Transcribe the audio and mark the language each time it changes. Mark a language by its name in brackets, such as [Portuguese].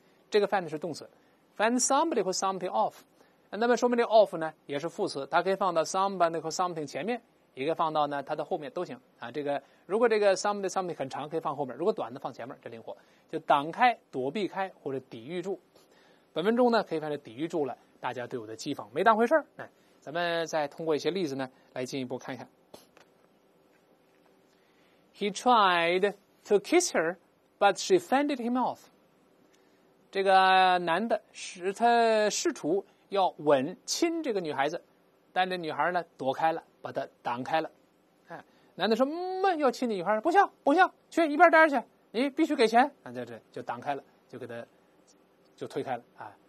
[Chinese] 这个 fend 是动词 ，fend somebody 或 something off。那么说明这 off 呢也是副词，它可以放到 somebody 和 something 前面，也可以放到呢它的后面都行啊。这个如果这个 somebody something 很长，可以放后面；如果短的放前面，这灵活。就挡开、躲避开或者抵御住。本文中呢可以翻译抵御住了大家对我的讥讽，没当回事儿。哎，咱们再通过一些例子呢来进一步看一看。 [English] He tried to kiss her, but she fended him off. [Chinese] 这个男的试图。要吻亲这个女孩子，但这女孩呢躲开了，把她挡开了。男的说：“要亲的女孩不笑不笑，去一边待着去，你必须给钱。” 那就挡开了，就给她就推开了啊。